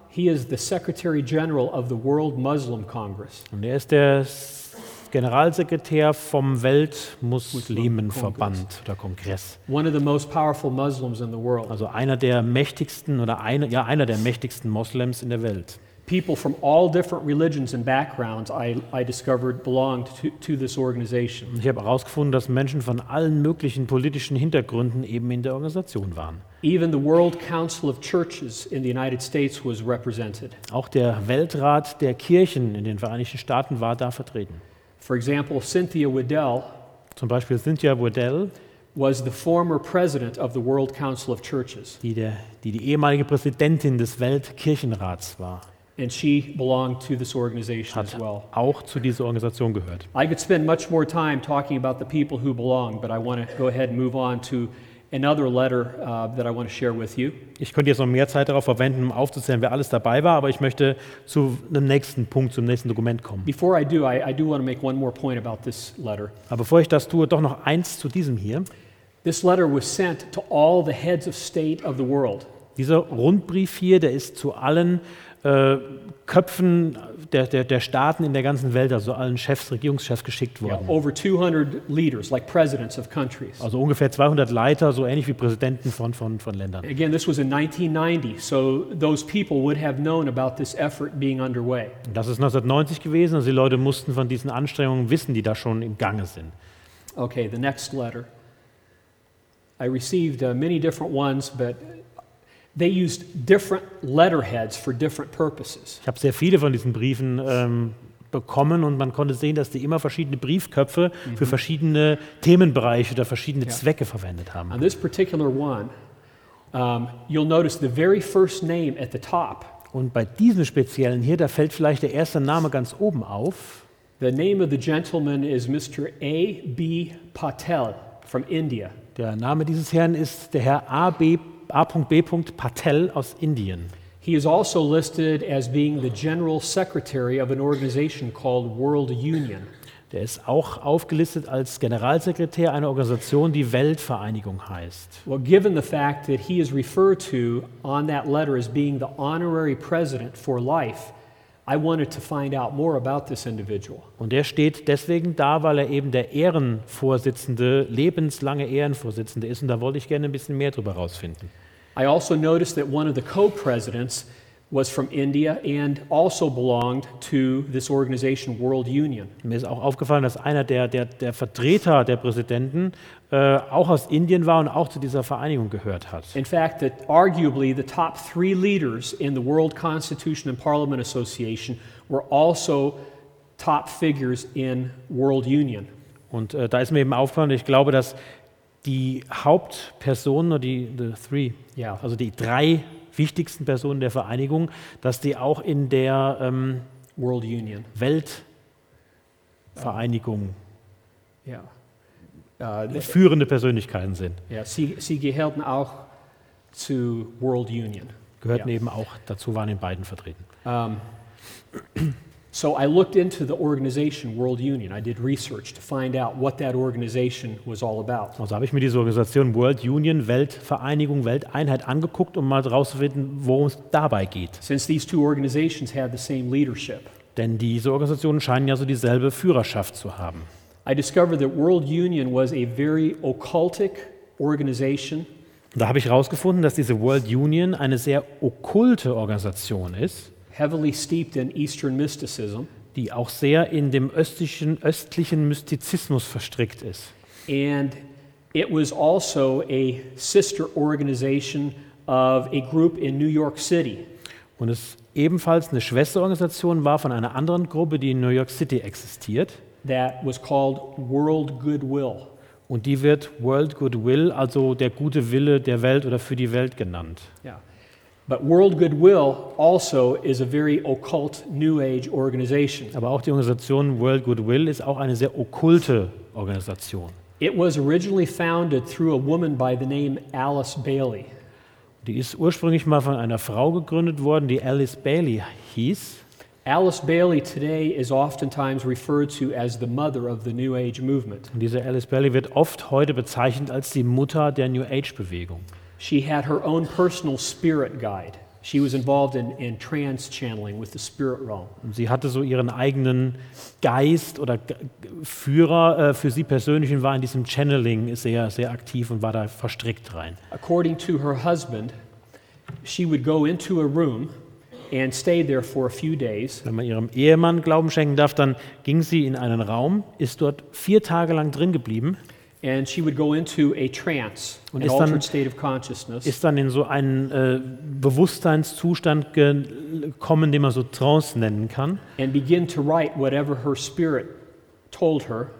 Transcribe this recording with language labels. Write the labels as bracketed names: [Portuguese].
[English] He is the Secretary General of the World Muslim Congress. [German] Und er ist der Generalsekretär vom Weltmuslimenverband oder Kongress. [English] One of the most powerful Muslims in the world. [German] Also einer der mächtigsten oder einer der mächtigsten Moslems in der Welt. [English] People from all different religions and backgrounds I discovered belonged to this organization. [German] Ich habe herausgefunden, dass Menschen von allen möglichen politischen Hintergründen eben in der Organisation waren. [English] Even the World Council of Churches in the United States was represented. [German] Auch der Weltrat der Kirchen in den Vereinigten Staaten war da vertreten. [English] For example, Cynthia Waddell, [German] zum Beispiel Cynthia Waddell, [English] was the former president of the World Council of Churches. [German] Die ehemalige Präsidentin des Weltkirchenrats war. [English] And she belonged to this organization as well. [German] Hat auch zu dieser Organisation gehört. [English] I could spend much more time talking about the people who belong, but I want to go ahead and move on to another letter that I want to share with you. [German] Ich könnte jetzt noch mehr Zeit darauf verwenden, um aufzuzählen, wer alles dabei war, aber ich möchte zu einem nächsten Punkt, zum nächsten Dokument kommen. [English] Before I do, I do want to make one more point about this letter. [German] Aber bevor ich das tue, doch noch eins zu diesem hier. [English] This letter was sent to all the heads of state of the world. [German] Dieser Rundbrief hier, der ist zu allen Köpfen der Staaten in der ganzen Welt, also allen Chefs, Regierungschefs geschickt worden. [English] Yeah, over 200 leaders, like presidents of countries. [German] Also ungefähr 200 Leiter, so ähnlich wie Präsidenten von Ländern. [English] Again, this was in 1990, so those people would have known about this effort being underway. [German] Das ist 1990 gewesen, also die Leute mussten von diesen Anstrengungen wissen, die da schon im Gange sind. [English] Okay, the next letter. I received many different ones, but they used different letterheads for different purposes. [German] Ich habe sehr viele von diesen Briefen bekommen und man konnte sehen, dass die immer verschiedene Briefköpfe für verschiedene Themenbereiche oder verschiedene Zwecke verwendet haben. [English] On this particular one, you'll notice the very first name at the top. [German] Und bei diesem speziellen hier, da fällt vielleicht der erste Name ganz oben auf. [English] The name of the gentleman is Mr. A. B. Patel from India. [German] Der Name dieses Herrn ist der Herr A.B. Patel aus Indien. [English] He is also listed as being the general secretary of an organization called World Union. [German] Der ist auch aufgelistet als Generalsekretär einer Organisation, die Weltvereinigung heißt. [English] Well, given the fact that he is referred to on that letter as being the honorary president for life, I wanted to find out more about this individual. [German] Und er steht deswegen da, weil er eben der Ehrenvorsitzende, lebenslange Ehrenvorsitzende ist, und da wollte ich gerne ein bisschen mehr drüber rausfinden. [English] I also noticed that one of the co-presidents was from India and also belonged to this organization World Union. [German] Mir ist auch aufgefallen, dass einer der Vertreter der Präsidenten auch aus Indien war und auch zu dieser Vereinigung gehört hat. [English] In fact, that arguably the top three leaders in the World Constitution and Parliament Association were also top figures in World Union. [German] Und da ist mir eben aufgefallen, ich glaube, dass die Hauptpersonen oder die drei wichtigsten Personen der Vereinigung, dass die auch in der World Union Weltvereinigung führende Persönlichkeiten sind. Ja, sie gehörten auch zu World Union. Gehörten eben auch dazu, waren in beiden vertreten. [English] So I looked into the organization World Union. I did research to find out what that organization was all about. [German] Also habe ich mir diese Organisation World Union, Weltvereinigung, Welteinheit angeguckt, um mal rauszufinden, worum es dabei geht. [English] Since these two organizations had the same leadership. [German] Denn diese Organisationen scheinen ja so dieselbe Führerschaft zu haben. [English] I discovered that World Union was a very occultic organization. [German] Da habe ich herausgefunden, dass diese World Union eine sehr okkulte Organisation ist. [English] Heavily steeped in Eastern mysticism, [German] die auch sehr in dem östlichen Mystizismus verstrickt ist. [English] And it was also a sister organization of a group in New York City. [German] Und es ebenfalls eine Schwesterorganisation war von einer anderen Gruppe, die in New York City existiert. [English] That was called World Goodwill. [German] Und die wird World Goodwill, also der gute Wille der Welt oder für die Welt genannt. [English] Ja. Yeah. But World Goodwill also is a very occult New Age organization. [German] Aber auch die Organisation World Goodwill ist auch eine sehr okkulte Organisation. [English] It was originally founded through a woman by the name Alice Bailey. [German] Die ist ursprünglich mal von einer Frau gegründet worden, die Alice Bailey hieß. [English] Alice Bailey today is oftentimes referred to as the mother of the New Age movement. [German] Und diese Alice Bailey wird oft heute bezeichnet als die Mutter der New Age Bewegung. [English] She had her own personal spirit guide. She was involved in trance channeling with the spirit realm. [German] Sie hatte so ihren eigenen Geist oder Führer für sie persönlich und war in diesem Channeling sehr, sehr aktiv und war da verstrickt rein. [English] According to her husband, she would go into a room and stay there for a few days. [German] Wenn man ihrem Ehemann Glauben schenken darf, dann ging sie in einen Raum, ist dort 4 Tage lang drin geblieben. [English] And she would go into a trance, an altered state of consciousness. [German] Ist dann in so einen Bewusstseinszustand gekommen, den man so Trance nennen kann. [English] And begin to write whatever her spirit told her.